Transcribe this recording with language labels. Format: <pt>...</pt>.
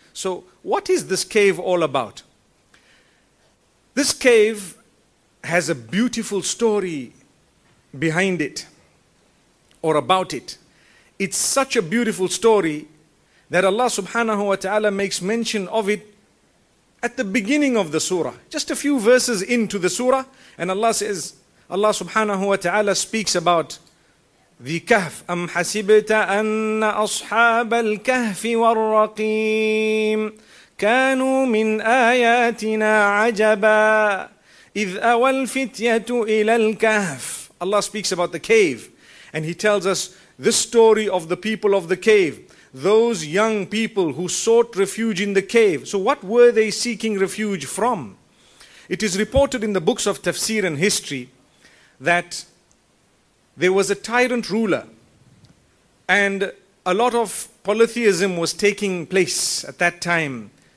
<en>So what is this cave all about? This cave has a beautiful story behind it or about it. It's such a beautiful story that Allah subhanahu wa ta'ala makes mention of it at the beginning of the surah, just a few verses into the surah. And Allah says, Allah subhanahu wa ta'ala speaks about the kahf.</en> <ar>Am hasibta anna ashabal kahfi war raqim كانوا من آياتنا عجبا إذ أوى الفتية إلى الكهف.</ar> <en>Allah speaks about the cave, and He tells us this story of the people of the cave, those young people who sought refuge in the cave. So what were they seeking refuge from? It is reported in the books of tafsir and history that there was a tyrant ruler, and a lot of polytheism was taking place at that time.</en>